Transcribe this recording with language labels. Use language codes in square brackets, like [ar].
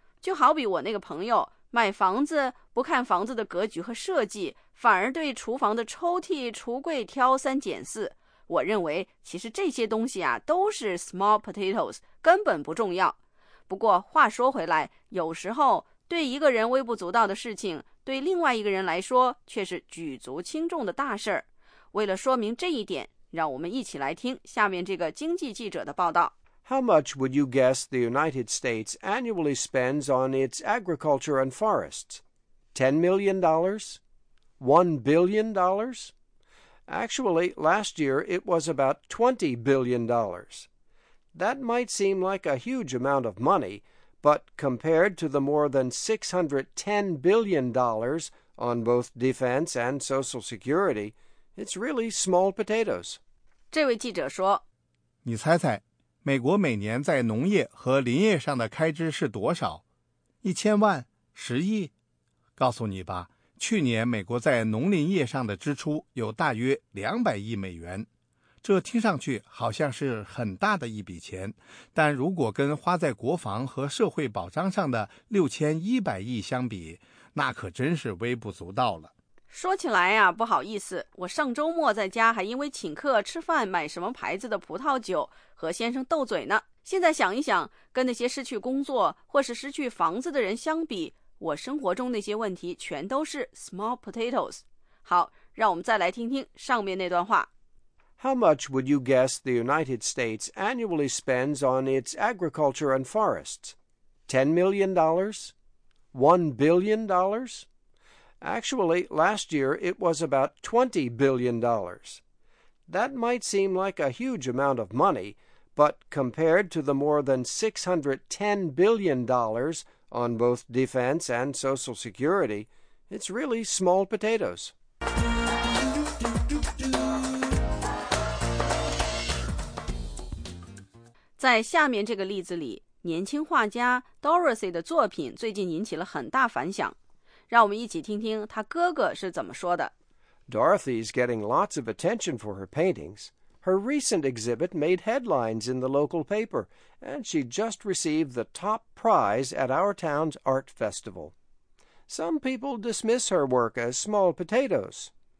[zh] 就好比我那个朋友买房子不看房子的格局和设计反而对厨房的抽屉橱柜挑三拣四我认为其实这些东西啊都是 small potatoes 根本不重要不过话说回来有时候对一个人微不足道的事情对另外一个人来说却是举足轻重的大事儿。为了说明这一点让我们一起来听下面这个经济记者的报道 [en] How much would you guess the United States annually spends on its agriculture and forests? $10 million? $1 billion? Actually, last year it was about $20 billion. That might seem like a huge amount of money, but compared to the more than $610 billion on both defense and Social Security, it's really small potatoes. [zh] 这位记者说，你猜猜。美国每年在农业和林业上的开支是多少？ 1000万？10亿？告诉你吧，去年美国在农林业上的支出有大约200亿美元。这听上去好像是很大的一笔钱，但如果跟花在国防和社会保障上的6100亿相比，那可真是微不足道了。说起来呀，不好意思，我上周末在家还因为请客吃饭买什么牌子的葡萄酒和先生斗嘴呢。现在想一想，跟那些失去工作或是失去房子的人相比，我生活中那些问题全都是 small potatoes。好，让我们再来听听上面那段话。 [en] How much would you guess the United States annually spends on its agriculture and forests? $10 million? $1 billion? Actually, last year it was about $20 billion. That might seem like a huge amount of money, but compared to the more than $610 billion on both defense and social security, it's really small potatoes. [zh] 在下面这个例子里，年轻画家 Dorothy 的作品最近引起了很大反响。让我们一起听听她哥哥是怎么说的。 [en] Dorothy's getting lots of attention for her paintings. Her recent exhibit made headlines in the local paper, and she just received the top prize at our town's art festival. Some people dismiss her work as small potatoes.